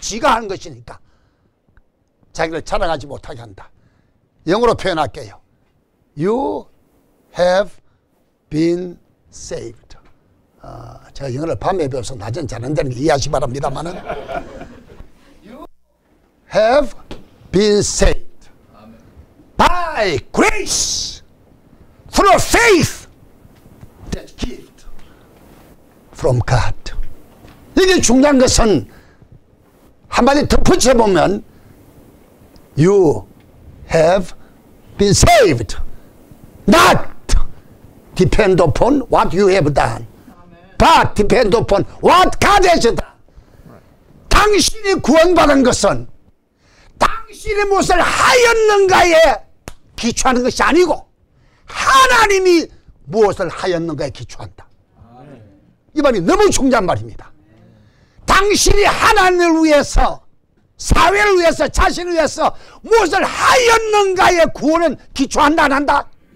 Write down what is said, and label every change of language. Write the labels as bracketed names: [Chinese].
[Korean] 지가 하는 것이니까 자기를 자랑하지 못하게 한다. [English] 영어로 표현할게요. You have been saved. [Korean] 제가 영어를 밤에 배워서 낮에는 잘하는데는 이해하시 바랍니다만은 You have been saved. [English] By grace, through faith, that gift from God. [Korean] 이게 중요한 것은 한마디 덧붙여보면 You have been saved. [English] Not depend upon what you have done. But depend upon what God has done. Right. [Korean] 당신이 구원받은 것은 당신이 무엇을 하였는가에 기초하는 것이 아니고 하나님이 무엇을 하였는가에 기초한다. 이 말이 너무 중요한 말입니다. 당신이 하나님을 위해서, 사회를 위해서, 자신을 위해서 무엇을 하였는가에 구원은 기초한다 안 한다?